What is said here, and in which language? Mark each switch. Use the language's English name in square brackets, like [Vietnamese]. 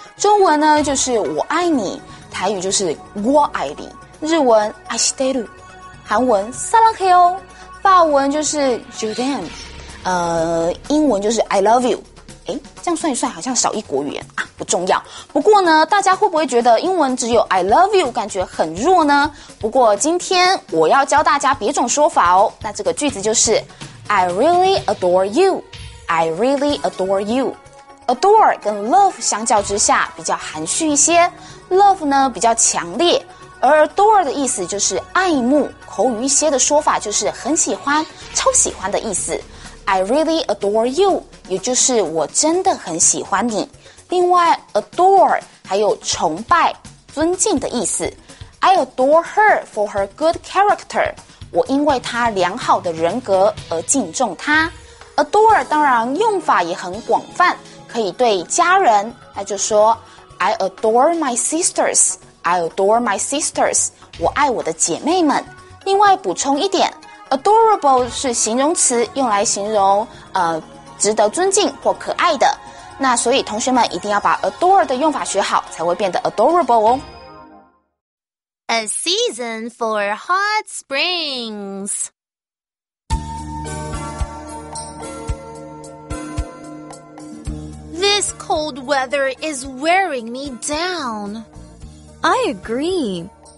[Chinese] 中文呢就是我爱你，台语就是我爱你，日文 [Japanese] 愛してる， [Chinese] 韩文 [Korean] 사랑해요， [Chinese] 法文就是주댐，英文就是 [English] I love you。 [Chinese] 哎，这样算一算好像少一国语言啊，不重要。不过呢，大家会不会觉得英文只有 I love you 感觉很弱呢？不过今天我要教大家别种说法哦。那这个句子就是 [English] I really adore you, I really adore you. [Chinese] Adore 跟 love 相较之下比较含蓄一些， love 呢比较强烈，而 adore 的意思就是爱慕，口语一些的说法就是很喜欢，超喜欢的意思。 [English] I really adore you, [Chinese] 也就是我真的很喜欢你。另外 adore 还有崇拜、尊敬的意思。 [English] I adore her for her good character, [Chinese] 我因为她良好的人格而敬重她。 Adore 当然用法也很广泛，可以对家人，那就说 [English] I adore my sisters, [Chinese] I adore my sisters, 我爱我的姐妹们。另外补充一点，Adorable 是形容词，用来形容值得尊敬或可爱的。那所以同学们一定要把 adore 的用法学好，才会变得 adorable 哦。 [English] A season for hot springs. This cold weather is wearing me down. I agree.